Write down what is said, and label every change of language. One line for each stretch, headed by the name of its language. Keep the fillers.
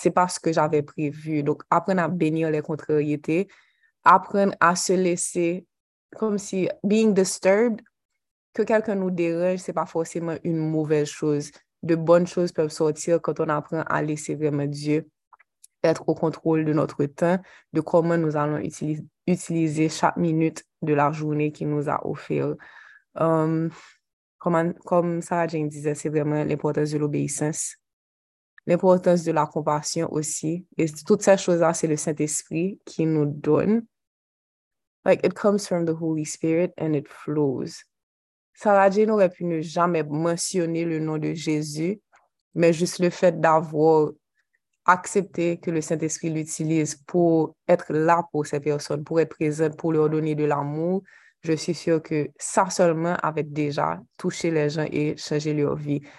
French: C'est pas ce que j'avais prévu. Donc, apprendre à bénir les contrariétés, apprendre à se laisser, comme si,
English: being disturbed,
French: que quelqu'un nous dérange, c'est pas forcément une mauvaise chose de bonnes choses peuvent sortir quand on apprend à laisser vraiment Dieu être au contrôle de notre temps, de comment nous allons utili utiliser, chaque minute de la journée qu'il nous a offert. Um, comme, ça, Jane disait, c'est vraiment l'importance de l'obéissance, l'importance de la compassion aussi. Et toutes ces choses-là, c'est le Saint-Esprit qui nous donne.
English: Like, it comes from the Holy Spirit and it flows.
French: Sarah Jane aurait pu ne jamais mentionner le nom de Jésus, mais juste le fait d'avoir accepté que le Saint-Esprit l'utilise pour être là pour ces personnes, pour être présente, pour leur donner de l'amour, je suis sûre que ça seulement avait déjà touché les gens et changé leur vie.